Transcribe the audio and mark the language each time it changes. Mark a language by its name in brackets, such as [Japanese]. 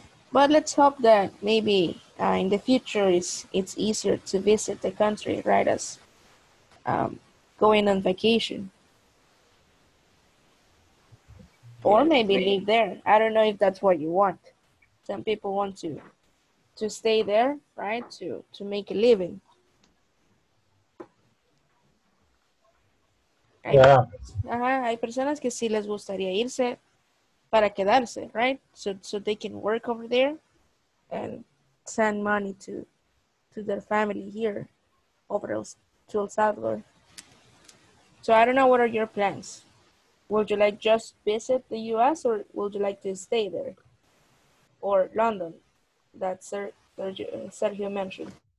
[English] But let's hope that maybe in the future it's easier to visit the country, right, as going on vacation. Or maybe live there. I don't know if that's what you want. Some people want to stay there, right, to make a living. Yeah. [Spanish] Ajá, hay personas que sí les gustaría irse para quedarse, right? [English] So they can work over there and send money to their family here over to El Salvador. So I don't know, what are your plans? Would you like just visit the U.S. or would you like to stay there? Or London, that Sergio mentioned.